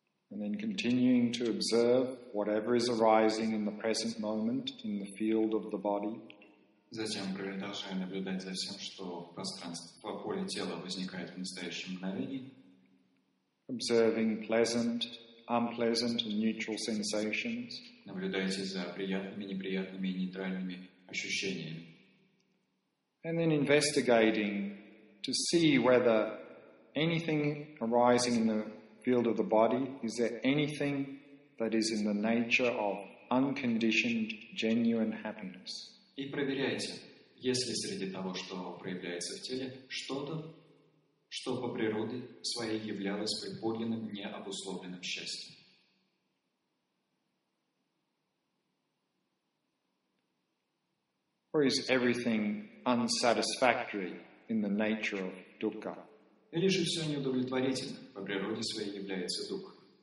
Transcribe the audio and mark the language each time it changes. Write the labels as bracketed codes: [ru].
[en] And then continuing to observe whatever is arising in the present moment in the field of the body. [ru] Затем продолжая наблюдать за всем, что пространство, поле тела возникает в настоящем мгновении. [en] Observing pleasant, unpleasant and neutral sensations. [ru] Наблюдайте за приятными, неприятными и нейтральными ощущениями. [en] And then investigating to see whether anything arising in the field of the body, is there anything that is in the nature of unconditioned, genuine happiness? [ru] И проверяйте, есть ли среди того, что проявляется в теле, что-то, что по природе своей являлось преподлинным, необусловленным счастьем. [en] Or is everything unsatisfactory in the nature of dukkha? [ru] Или же все неудовлетворительно, по природе своей является дух.